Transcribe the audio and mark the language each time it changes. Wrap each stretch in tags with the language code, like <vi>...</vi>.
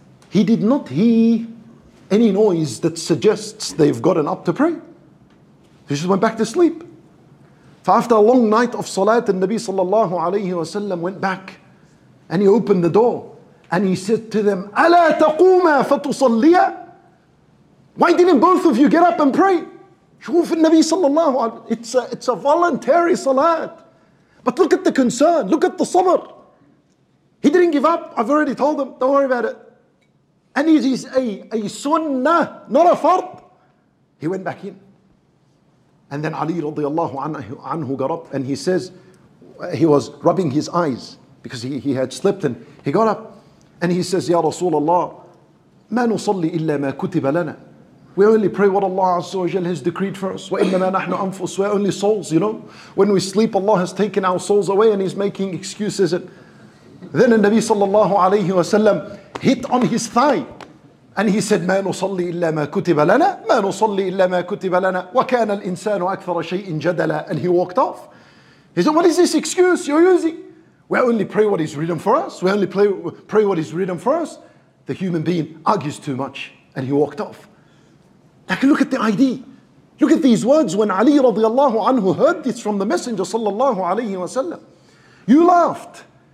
<en>He did not hear any noise that suggests they've gotten up to pray. He just went back to sleep. For after a long night of salat, the Nabi sallallahu alayhi wa sallam went back and he opened the door and he said to them,</en> <ar>أَلَا تَقُومَا فَتُصَلِّيَا.</ar> <en>Why didn't both of you get up and pray?</en> <ar>شوف النبي صلى الله عليه وسلم.</ar> <en>It's a voluntary salat. But look at the concern. Look at the sabr. He didn't give up. I've already told him. Don't worry about it. And it is a sunnah, not a fard. He went back in. And then Ali رضي الله عنه got up and he says, he was rubbing his eyes. because he had slept, and he got up and he says, Ya Rasulallah,</en> <ar>ma nusalli illa ma kutiba lana.</ar> <en>We only pray what Allah Azza wa Jal has decreed for us.</en> <ar>وَإِنَّمَا نَحْنُ أَنفُسُ.</ar> <en>We're only souls, you know. When we sleep, Allah has taken our souls away and he's making excuses. And then the Nabi sallallahu alayhi wa sallam hit on his thigh. And he said,</en> <ar>مَا نُصَلِّ إِلَّا مَا كُتِبَ لَنَا مَا نُصَلِّ إِلَّا مَا كُتِبَ لَنَا وَكَانَ الْإِنسَانُ أَكْثَرَ شَيْءٍ جَدَلًا.</ar> <en>And he walked off. He said, what is this excuse you're using? We only pray what is written for us. We only pray what is written for us. The human being argues too much. And he walked off. Like, look at the ID. Look at these words. When Ali radiallahu anhu heard this from the Messenger sallallahu alayhi wa sallam, you laughed.</en>